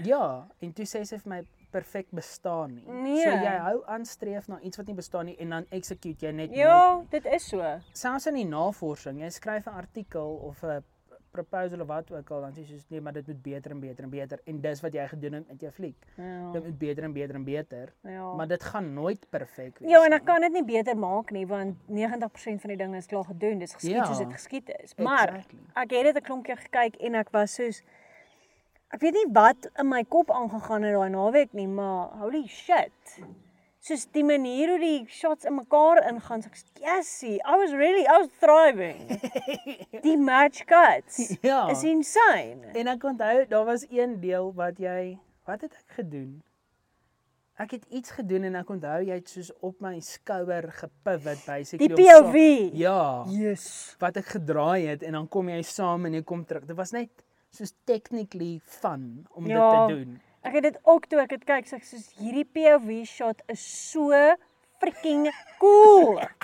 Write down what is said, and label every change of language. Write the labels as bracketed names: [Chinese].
[Afrikaans] Ja, en toe sê sy vir my, perfect bestaan nie. Nee. So jy hou aanstreef na iets wat nie bestaan nie, en dan execute jy net. Ja, dit is so. Selfs in die navorsing, jy skryf 'n artikel of 'n proposal of wat ook al, dan sê jy soos, nee, maar dit moet beter en beter en beter, en dis wat jy gedoen het met jou fliek. Ja. Dit moet beter en beter en beter, ja. Maar dit gaan nooit perfect wees. Ja, en ek kan dit nie beter maak nie, want 90% van die dinge is klaar gedoen, dis geskiet ja. Soos dit geskiet is. Maar, exactly. Ek het dit 'n klompje gekyk, en ek was soos, ek weet nie wat in my kop aangegaan in daai naweek nie, maar holy shit, soos die manier hoe die shots in mekaar ingaan, so ek sê, yesie, [English] I was thriving. [Afrikaans] Die match cuts ja. Is insane. En ek onthou, daar was een deel wat jy, wat het ek gedoen? Ek het iets gedoen en ek onthou, jy het soos op my skouer gepivot, basically. Die POV. Op, ja. [English] Yes. [Afrikaans] Wat ek gedraai het en dan kom jy saam en jy kom terug. Dit was net soos technically fun om ja. Dit te doen. Ek het dit ook toe ek het kyk, sê ek soos, hierdie POV shot is so freaking cool.